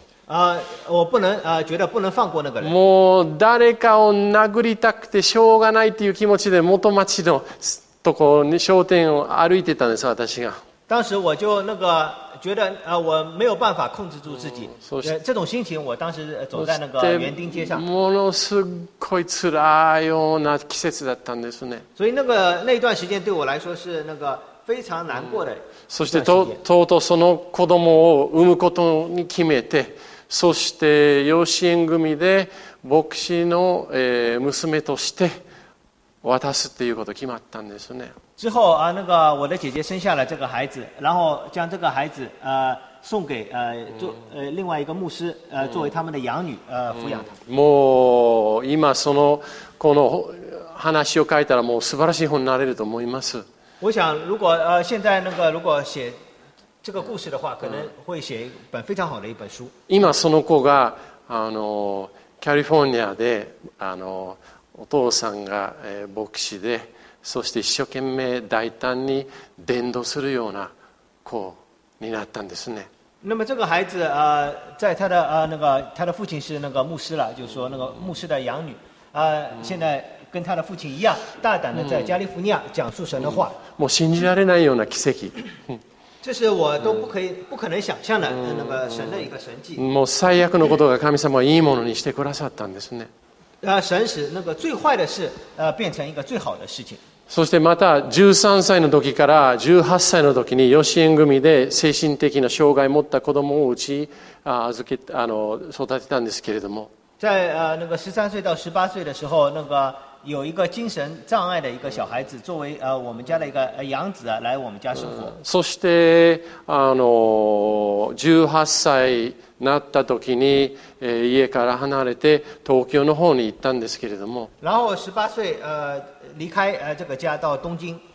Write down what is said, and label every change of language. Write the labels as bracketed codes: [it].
[zh] 我不能觉得不能放过那个人。 [ja] もう誰かを殴りたくてしょうがないという気持ちで元町のとこに商店を歩いてたんです私が。 [zh] 当时我就那个觉得我没有办法控制住自己，这种心情我当时走在那个园丁街上。 [ja] ものすごい辛いような季節だったんですね。 [zh] 所以那个那段时间对我来说是那个非常难过的。 [ja] そしてとうとうその子供を産むことに決めて、そして養子縁組で牧師の娘として渡すっていうこと決まったんですね。 [zh] 之后啊，那个我的姐姐生下了这个孩子，然后将这个孩子送给做另外一个牧师作为他们的养女抚养他。 [ja] もう今そのこの話を書いたらもう素晴らしい本になれると思います。 [zh] 我想如果现在那个如果写这个故事的话，可能会写一本非常好的一本书。 [ja] 今その子がカリフォルニアでお父さんが牧師で。そして一生懸命大胆に伝道するような子になったんですね。 [zh] 那么这个孩子啊，在他的啊那个他的父亲是那个牧师了，就是说那个牧师的养女啊，现在跟他的父亲一样大胆的在加利福尼亚讲述神的话。 [ja] もう信じられないような奇跡。 [zh] 这是我都不可能想象的那个神的一个神迹。 [ja] もう最悪のことが神様はいいものにしてくださったんですね。 [zh] 神使那个最坏的事变成一个最好的事情。 [ja] そしてまた13歳の時から18歳の時に養子縁組で精神的な障害を持った子供をうち預け育てたんですけれども、 [zh] 在那个13歳到18歳的时候，那个有一个精神障碍的一个小孩子作为我们家的一个养子来我们家生活。 [ja] そして18歳なった時に家から離れて東京の方に行ったんですけれども、 [zh] 然后18歳離開这个家到東京。